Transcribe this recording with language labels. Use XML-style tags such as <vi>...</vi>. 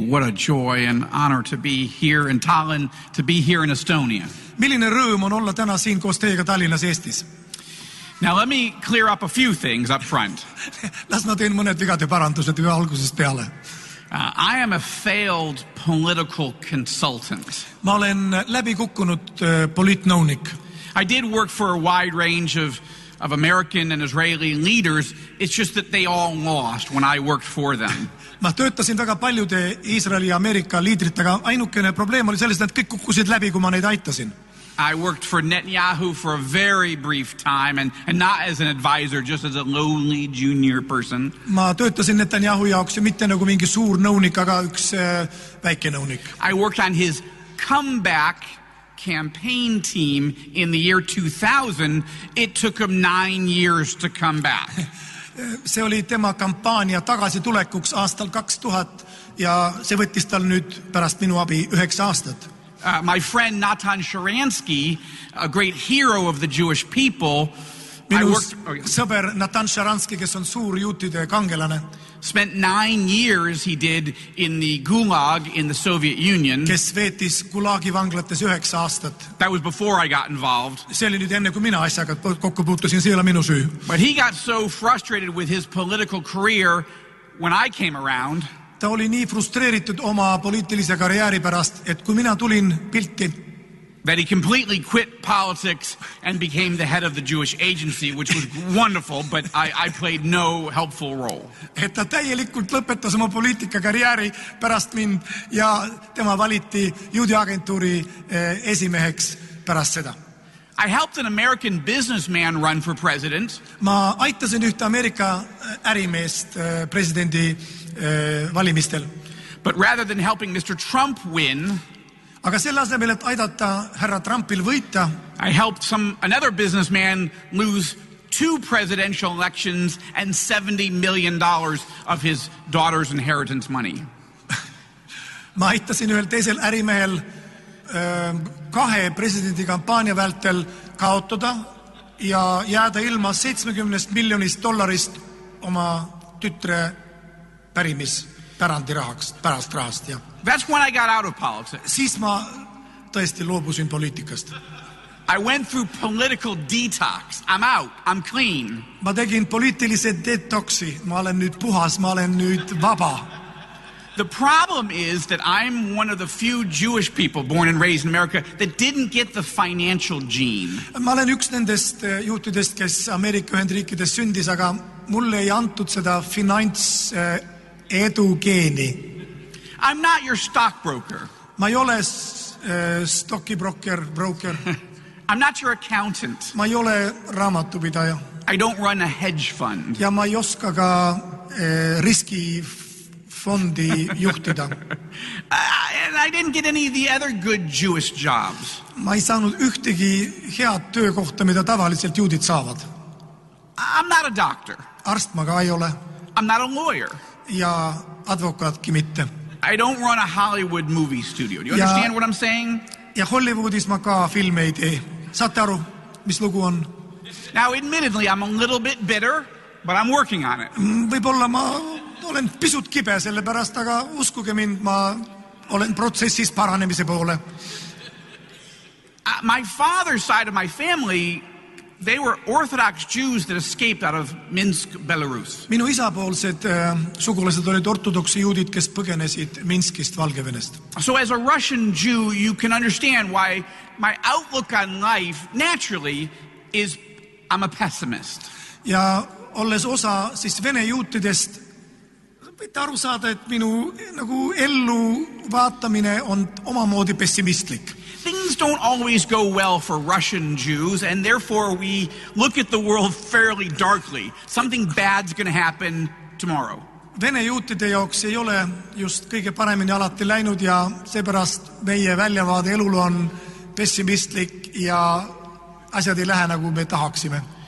<en>What a joy and honor to be here in Tallinn, to be here in Estonia.</en> <et>Milline rõõm on olla täna siin koos teiega Tallinnas Eestis?</et> <en>Now let me clear up a few things up front.</en> <et>Las ma teen mõned vigade parandused juba algusest peale.</et> <en>I am a failed political consultant.</en> <et>Ma olen läbi kukkunud poliitnõunik.</et> <en>I did work for a wide range of American and Israeli leaders. It's just that they all lost when I worked for them.</en> <et>Ma töötasin väga paljude Iisraeli ja Ameerika liidritega. Ainukene probleem oli selles, et kõik kukkusid läbi, kui ma neid aitasin.</et> <en>I worked for Netanyahu for a very brief time and not as an advisor, just as a lowly junior person.</en> <et>Ma töötasin Netanyahu jaoks ja mitte nagu mingi suur nõunik, aga üks väike nõunik.</et> <en>I worked on his comeback campaign team in the year 2000. It took him 9 years to come back.</en> <et>See oli tema kampaania tagasi tulekuks aastal 2000 ja see võttis tal nüüd pärast minu abi 9 aastat.</et> <en>My friend Natan Sharansky, a great hero of the Jewish people,</en> <et>sõber Natan Sharansky, kes on suur juutide kangelane,</et> <en>spent 9 years he did in the Gulag in the Soviet Union.</en> <et>Kes veetis Gulagi vanglates 9 aastat.</et> <en>That was before I got involved.</en> <et>See oli nüüd enne, kui mina asjaga kokku puutusin, see ei ole minu süü.</et> <en>But he got so frustrated with his political career when I came around.</en> <et>Ta oli nii frustreeritud oma poliitilise karjääri pärast, et kui mina tulin pilti,</et> <en>that he completely quit politics and became the head of the Jewish agency, which was wonderful, but I played no helpful role.</en> <et>Et ta täielikult lõpetas oma poliitika karjääri pärast mind ja tema valiti juudi agentuuri esimeheks pärast seda.</et> <en>I helped an American businessman run for president.</en> <et>Ma aitasin ühte Ameerika ärimeest presidendi valimistel.</et> <en>But rather than helping Mr. Trump win,</en> <et>aga selle asemel, et aidata härra Trumpil võita,</et> <en>I helped another businessman lose 2 presidential elections and $70 million of his daughter's inheritance money.</en> <et>Ma aitasin ühel teisel ärimehel kahe presidendi kampaania vältel kaotada ja jääda ilma 70 miljonist dollarist oma tütre pärimis pärandi rahaks, pärast rahast. Ja.</et> <en>That's when I got out of politics.</en> <et>Siis ma tõesti loobusin poliitikast.</et> <en>I went through political detox. I'm out. I'm clean.</en> <et>Ma tegin poliitilise detoksi. Ma olen nüüd puhas. Ma olen nüüd vaba.</et> <en>The problem is that I'm one of the few Jewish people born and raised in America that didn't get the financial gene.</en> <et>Ma olen üks nendest juutidest, kes Ameerika Ühendriikides sündis, aga mulle ei antud seda finantsedu geeni.</et> <en>I'm not your stockbroker.</en> <et>Ma ei ole stocki broker,</et> <en>I'm not your accountant.</en> <et>Ma ei ole raamatupidaja.</et> <en>I don't run a hedge fund.</en> <et>Ja ma ei oska ka riski fondi juhtida.</et> <en>And I didn't get any of the other good Jewish jobs.</en> <et>Ma ei saanud ühtegi head töökohta, mida tavaliselt juudid saavad.</et> <en>I'm not a doctor.</en> <et>Arst ma ka ei ole.</et> <en>I'm not a lawyer.</en> <et>Ja advokaatki mitte.</et> <en>I don't run a Hollywood movie studio. Do you understand what I'm saying?</en> <et>Ja Hollywoodis ma ka filme ei tee. Saate aru, mis lugu on?</et> <en>Now, admittedly, I'm a little bit bitter, but I'm working on it.</en> <et>Võibolla ma olen pisut kibe selle pärast, aga uskuge mind, ma olen protsessis paranemise poole.</et> <en>My father's side of my family, they were Orthodox Jews that escaped out of Minsk, Belarus.</en> <et>Minu isapoolsed sugulased olid ortodoksi juudid, kes põgenesid Minskist, Valgevenest.</et> <en>So as a Russian Jew, you can understand why my outlook on life naturally is I'm a pessimist.</en> <et>Ja olles osa siis vene juutidest, võite aru saada, et minu nagu ellu vaatamine on omamoodi pessimistlik.</et> <en>Things don't always go well for Russian Jews, and therefore we look at the world fairly darkly. Something bad's going to happen tomorrow.</en> <et>Vene juutide jaoks ei ole just kõige paremini alati läinud ja seepärast meie väljavaade elul on pessimistlik ja asjad ei lähe nagu me tahaksime.</et>